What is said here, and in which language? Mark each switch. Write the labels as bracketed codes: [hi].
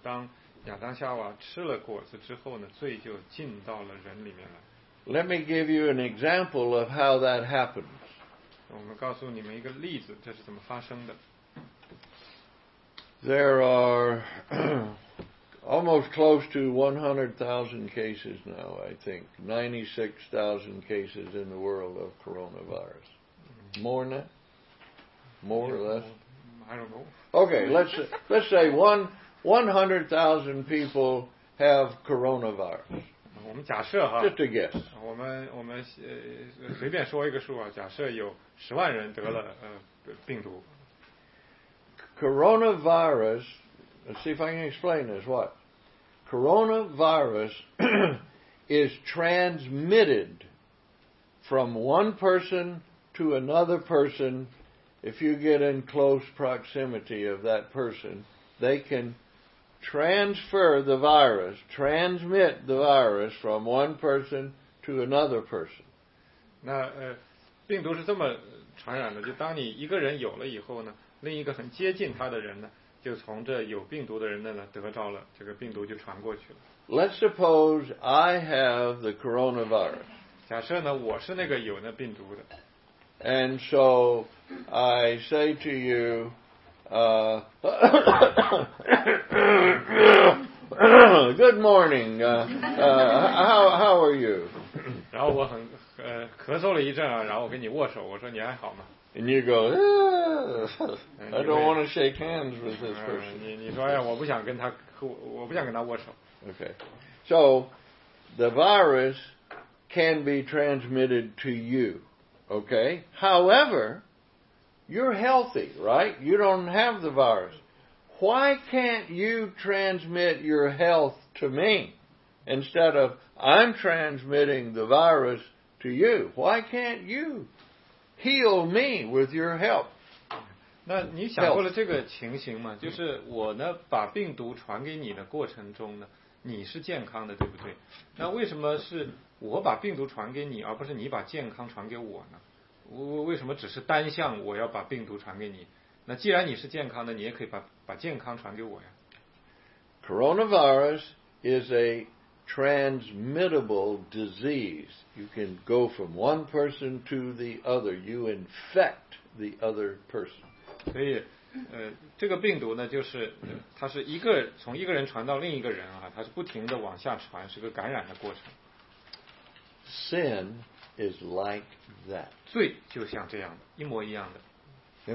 [zh] 当亚当夏娃吃了果子之后呢，罪就进到了人里面来。 [en] Let me give you an example of how that happened. [zh] 我们告诉你们一个例子，这是怎么发生的。 [en] There are almost close to 100,000 cases now, I think. 96,000 cases in the world of coronavirus. More than that? More or less? I don't know. Okay, let's say 100,000 people have coronavirus. [zh] 我们假设哈， [en] Just a guess. [zh] 我们随便说一个数啊，假设有十万人得了病毒。 [en] Coronavirus, let's see if I can explain this. What? Coronavirus is transmitted from one person to another person. If you get in close proximity of that person, they can. Transfer the virus, transmit the virus from one person to another person. [zh] 那病毒是这么传染的，就当你一个人有了以后呢，另一个很接近他的人呢，就从这有病毒的人那呢得到了，这个病毒就传过去了。 [en] Let's suppose I have the coronavirus. [zh] 假设呢，我是那个有那病毒的。 [en] And so I say to you,good morning. How are you? [zh] 然后我很咳嗽了一阵啊，然后跟你握手，我说你还好吗 [en] ？And you go,、yeah, I don't want to shake hands with this person. [zh] 你说呀，我不想跟他我不想跟他握手。 [en] Okay, so the virus can be transmitted to you. Okay, however. You're healthy, right? You don't have the virus. Why can't you transmit your health to me instead of I'm transmitting the virus to you? Why can't you heal me with your help? [zh] 那你想过了这个情形吗？就是我呢，把病毒传给你的过程中呢，你是健康的，对不对？那为什么是我把病毒传给你，而不是你把健康传给我呢？为什么只是单向我要把病毒传给你？那既然你是健康的，你也可以把健康传给我呀。 [en] Coronavirus is a transmittable disease. You can go from one person to the other. You infect the other person. [zh] 所以，这个病毒呢，就是它是一个从一个人传到另一个人啊，它是不停的往下传，是个感染的过程。 [en] Sin. Is like that. [zh] 罪就像这样的，一模一样的。